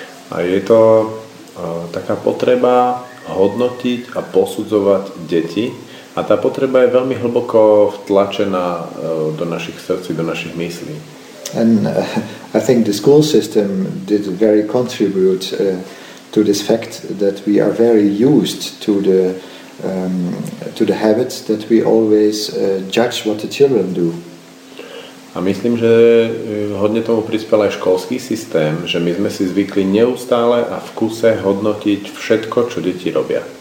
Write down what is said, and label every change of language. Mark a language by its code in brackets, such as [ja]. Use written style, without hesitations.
[sk] A je to taká potreba hodnotiť a posudzovať deti a tá potreba je veľmi hlboko vtlačená do našich srdcí, do našich myslí. [en] And I think the school system did very contribute to this fact that we are very used to the habits that we always judge what the children do. [sk] A myslím, že hodne tomu prispel aj školský systém, že my sme si zvykli neustále a v kuse hodnotiť všetko, čo deti robia.